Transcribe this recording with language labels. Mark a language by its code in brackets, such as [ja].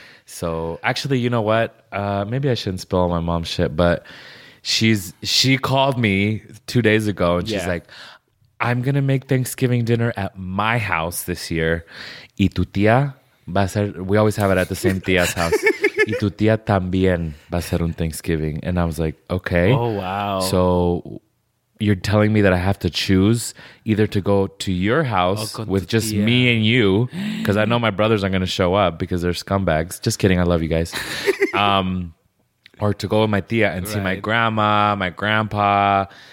[en] So actually, you know what? Maybe I shouldn't spill all my mom's shit, but she called me 2 days ago and she's like, I'm going to make Thanksgiving dinner at my house this year. [es] Y tu tía va a ser... [en] We always have it at the same tía's house. [es] Y tu tía también va a ser un Thanksgiving. [en] And I was like, okay. Oh, wow. So you're telling me that I have to choose either to go to your house with just me and you, because I know my brothers aren't going to show up because they're scumbags. Just kidding. I love you guys. Or to go with my tía and see my grandma, my grandpa...